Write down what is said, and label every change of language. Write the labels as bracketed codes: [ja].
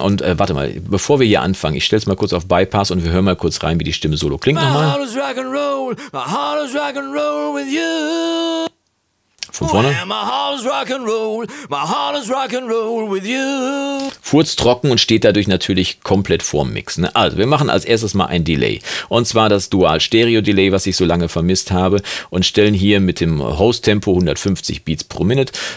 [de] Und warte mal, bevor wir hier anfangen, ich stelle es mal kurz auf Bypass und wir hören mal kurz rein, wie die Stimme solo klingt nochmal. [en] My heart is rock and roll, my heart is rock and roll with you. [de] Von vorne. [en] My heart is rock and roll, my heart is rock and roll with you. [de] Furztrocken und steht dadurch natürlich komplett vorm Mix. Ne? Also, wir machen als erstes mal ein Delay. Und zwar das Dual-Stereo-Delay, was ich so lange vermisst habe. Und stellen hier mit dem Host-Tempo 150 Beats pro Minute.